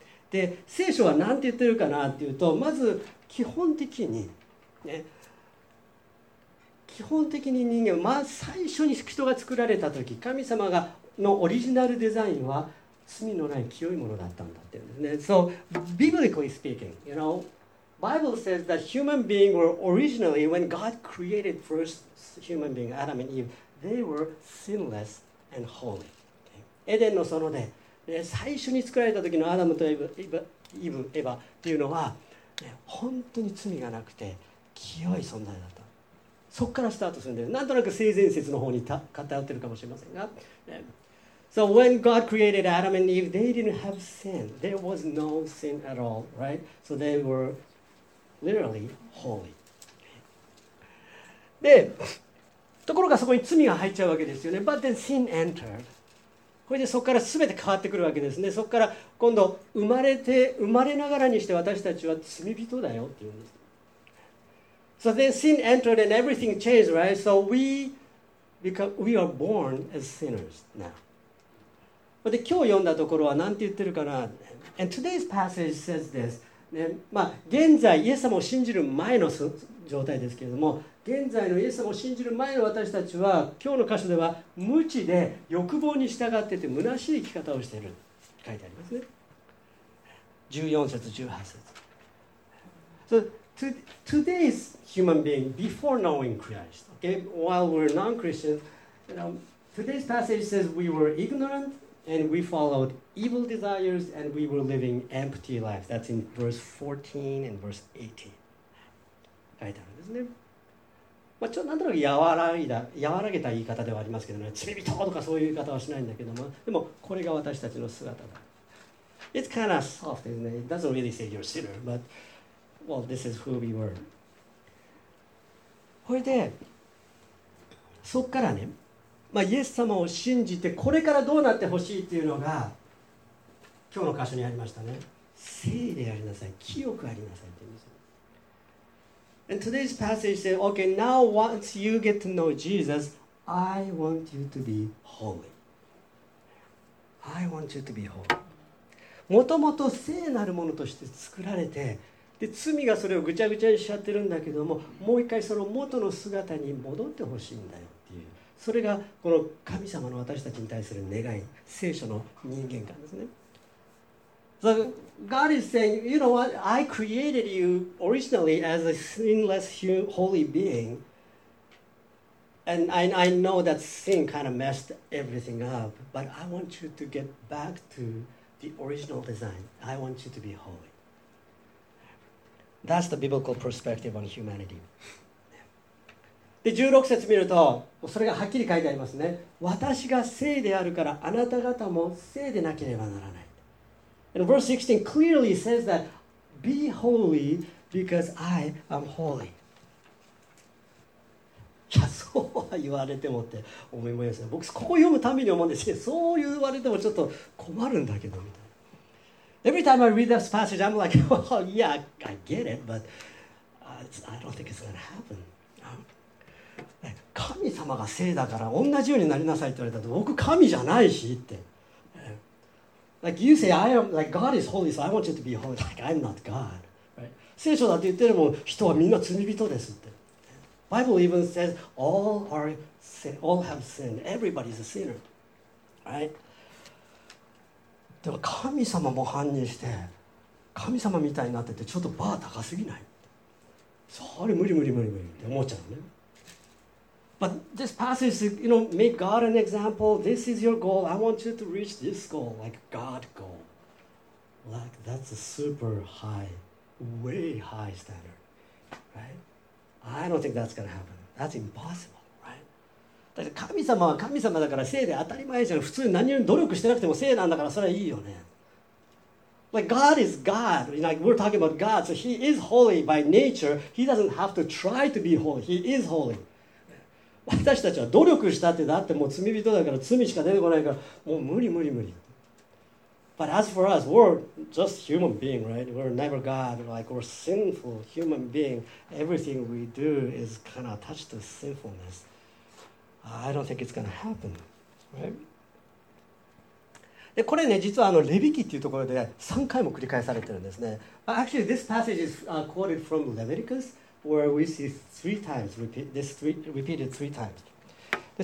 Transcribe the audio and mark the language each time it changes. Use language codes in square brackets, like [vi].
[ja] で聖書は何て言ってるかなっていうと、まず基本的に、ね、基本的に人間、まあ、最初に人が作られた時、神様がのオリジナルデザインは罪のない清いものだったんだっていうんですね。 [en] So biblically speaking, you know, Bible says that human beings were originally, when God created first human being, Adam and Eve, they were sinless and holy. [ja] エデンの園で、ね、最初に作られた時のアダムとエヴァっていうのは、ね、本当に罪がなくて清い存在だった。そこからスタートするんで、なんとなく性善説の方に偏ってるかもしれませんが、 [en] So when God created Adam and Eve, they didn't have sin. There was no sin at all, right? So they were literally holy. [ja] で、ところがそこに罪が入っちゃうわけですよね。 [en] But then sin entered. [ja] これでそこから全て変わってくるわけですね。そこから今度生まれながらにして私たちは罪人だよっていうんです。 [en] So then sin entered and everything changed, right? So we are born as sinners now. [ja] で今日読んだところは何て言ってるかな? [en] And today's passage says this.、 [ja] ね、まあ、現在、イエス様を信じる前の状態ですけれども、現在のイエス様を信じる前の私たちは、今日の箇所では無知で欲望に従ってて虚しい生き方をしている。書いてありますね。 14節、18節。 [en] So,Today's human being before knowing Christ, okay, while we're non-Christians, you know, today's passage says we were ignorant and we followed evil desires and we were living empty lives. That's in verse 14 and verse 18. [ja] 書いてあるんですね。まあ、ちょっとなんとなく和らげた言い方ではありますけどね、罪人とかそういう言い方はしないんだけども、でもこれが私たちの姿だ。 [en] It's kind of soft, isn't it? It doesn't really say you're a sinner, but. Well, this is who we were. [ja] それで、そこからね、まあ、イエス様を信じて、これからどうなってほしいっていうのが、今日の箇所にありましたね。聖でありなさい、清くありなさいって言うんですよ。 [en] And today's passage says, okay, now once you get to know Jesus, I want you to be holy. I want you to be holy. [ja] もともと聖なるものとして作られて、で罪がそれをぐちゃぐちゃにしちゃってるんだけども、もう一回その元の姿に戻ってほしいんだよっていう、それがこの神様の私たちに対する願い、聖書の人間観ですね。 [en] So God is saying, you know what, I created you originally as a sinless holy being, and I know that sin kind of messed everything up, but I want you to get back to the original design. I want you to be holyThat's the biblical perspective on humanity. [ja] で16節見るとそれがはっきり書いてありますね。私が聖であるからあなた方も聖でなければならない。 [en] And verse 16 clearly says that be holy because I am holy. [ja] いや、そうは言われてもって思いますね。僕ここ読むたびに思うんですけど、そう言われてもちょっと困るんだけどみたいな。 [en] Every time I read this passage, I'm like, well, yeah, I get it, but I don't think it's going to happen. [ja] 神様が聖だから同じようになりなさいって言われたと、僕神じゃないしって。 [en] Like you say, I am, like God is holy, so I want you to be holy. Like I'm not God. [ja] 聖書だって言ってるも人はみんな罪人ですって。 [en] Bible even says, all have sinned. Everybody's a sinner. Right? [ja] でも神様も犯人して神様みたいになってて、ちょっとバー高すぎない、それ無理無理無理無理って思っちゃうね。 [en] But this passage, you know, make God an example. This is your goal. I want you to reach this goal, like God goal. Like that's a super high, way high standard, right? I don't think that's gonna happen. That's impossible. [ja] 神様は神様だから聖で当たり前じゃん。普通何より努力してなくても聖なんだからそれはいいよね。 [en] Like God is God. You know, we're talking about God. So He is holy by nature. He doesn't have to try to be holy. He is holy. [ja] 私たちは努力したってだってもう罪人だから罪しか出てこないからもう無理無理無理。 [en] But as for us, we're just human being, right? We're never God. Like, we're sinful human being. Everything we do is kind of touched to sinfulness. I don't think it's going to happen, right? [ja] で、これね、実はレビ記っていうところで3回も繰り返されてるんですね。 [en] Actually, this passage is quoted from Leviticus, where we see three times, repeated three times.